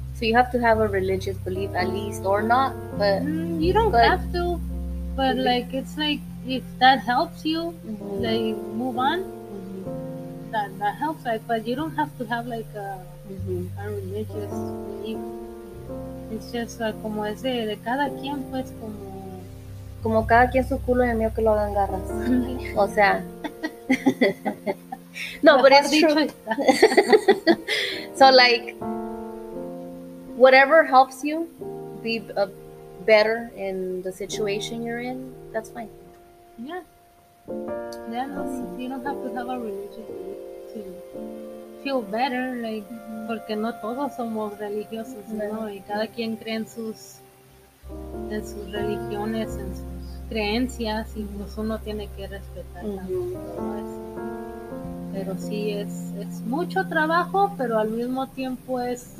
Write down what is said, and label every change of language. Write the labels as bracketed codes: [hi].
[en] So you have to have a religious belief at least or not, but you don't have to, but like it's like if that helps you, mm-hmm, they move on. That helps, like, but you don't have to have like a religious belief. It's just [es] como ese de cada quien, pues, como cada quien su culo y el mío que lo hagan garras. O sea, no, [en] but it's true. So like, whatever helps you be better in the situation you're in, that's fine. Yeah. You don't have to have a religious belief. Feel better, like, [es] porque no todos somos religiosos, ¿no? Y cada quien cree en sus religiones, en sus creencias, y pues uno tiene que respetar también todo eso. Pero sí, es mucho trabajo, pero al mismo tiempo es